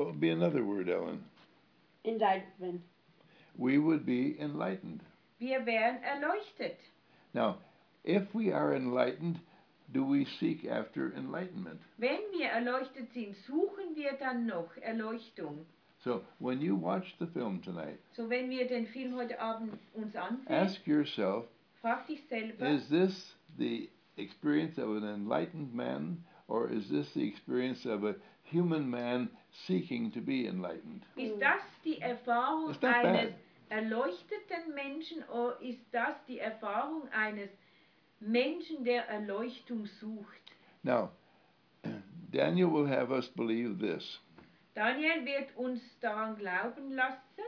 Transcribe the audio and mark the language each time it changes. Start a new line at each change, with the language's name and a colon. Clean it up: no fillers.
English: What would be another word, Ellen? Enlightenment. We would be enlightened.
German: Wir wären erleuchtet.
English: Now, if we are enlightened, do we seek after enlightenment?
German: Wenn wir erleuchtet sind, suchen wir dann noch Erleuchtung.
English: So, when you watch the film tonight,
German: so wenn wir den Film heute Abend uns ansehen,
English: ask yourself,
German: frag dich selber,
English: is this the experience of an enlightened man, or is this the experience of a human man seeking to be enlightened?
German: Ist das die Erfahrung eines erleuchteten Menschen, oder ist das die Erfahrung eines Menschen, der Erleuchtung sucht?
English: Now, Daniel will have us believe this.
German: Daniel wird uns daran glauben lassen.